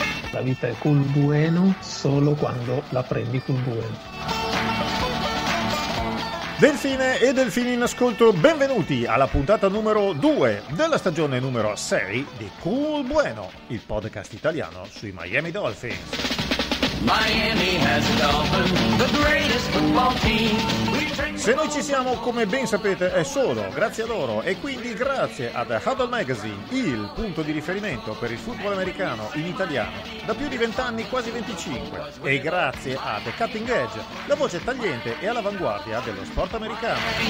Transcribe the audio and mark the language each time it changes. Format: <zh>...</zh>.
<it>La vita è Cool Bueno solo quando la prendi Cool Bueno. Delfine e delfini in ascolto, benvenuti alla puntata numero 2 della stagione numero 6 di Cool Bueno, il podcast italiano sui Miami Dolphins.</it> <en>Miami has a dolphin, the greatest football team.</en> <it>Se noi ci siamo, come ben sapete, è solo grazie a loro e quindi grazie a The Huddle Magazine, il punto di riferimento per il football americano in italiano da più di 20 anni, quasi 25, e grazie a The Cutting Edge, la voce tagliente e all'avanguardia dello sport americano.</it>